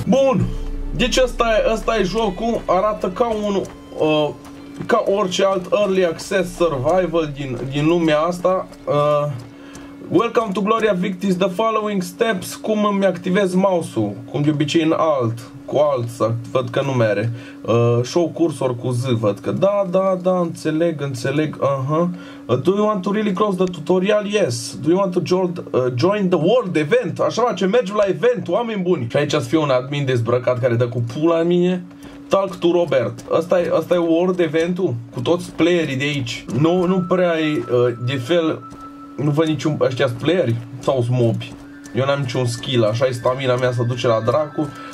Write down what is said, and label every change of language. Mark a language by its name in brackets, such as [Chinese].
[Romanian] Bun, deci ăsta e jocul, arată ca un ca orice alt Early Access Survival din lumea asta. [English] Welcome to Gloria Victis, the following steps, [Romanian] cum îmi activez mouse-ul, cum de obicei în alt, cu alt, văd că nu mere. [English] Show cursor [Romanian] cu Z, văd că da, înțeleg, aha. [English] Do you want to really close the tutorial? Yes. Do you want to join the world event? [Romanian] Așa face, mergem la event, oameni buni. Și aici să fie un admin dezbrăcat care dă cu pula în mine. [English] Talk to Robert. [Romanian] Ăsta e world event-ul, cu toți playerii de aici. Nu prea e de fel... Nu văd niciun... Ăștia sunt playeri sau sunt mobi? Eu n-am niciun skill, așa e stamina mea să duce la dracu.